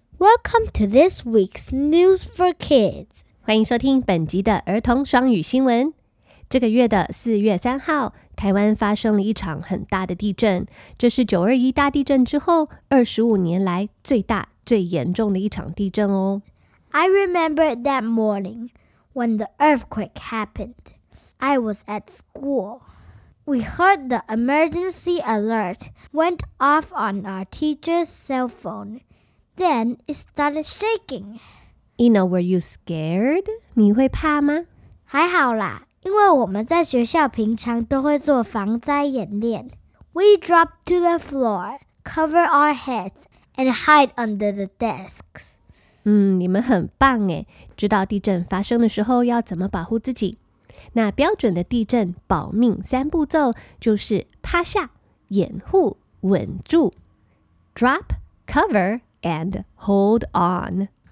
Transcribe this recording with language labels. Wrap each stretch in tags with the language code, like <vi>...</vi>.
<en>Welcome to this week's News for Kids.</en> <zh>欢迎收听本集的儿童双语新闻。这个月的四月三号，台湾发生了一场很大的地震，这是921大地震之后25年来最大最严重的一场地震哦。</zh> <en>I remember that morning when the earthquake happened. I was at school. We heard the emergency alert went off on our teacher's cell phone. Then it started shaking. Eno, were you scared?</en> <zh>你会怕吗？还好啦，因为我们在学校平常都会做防灾演练。</zh> <en>We dropped to the floor, cover our heads, and hide under the desks.</en> <zh>你们很棒耶，知道地震发生的时候要怎么保护自己。那标准的地震保命三步骤就是趴下、掩护、稳住。</zh> <en>Drop, cover,And hold on.</en>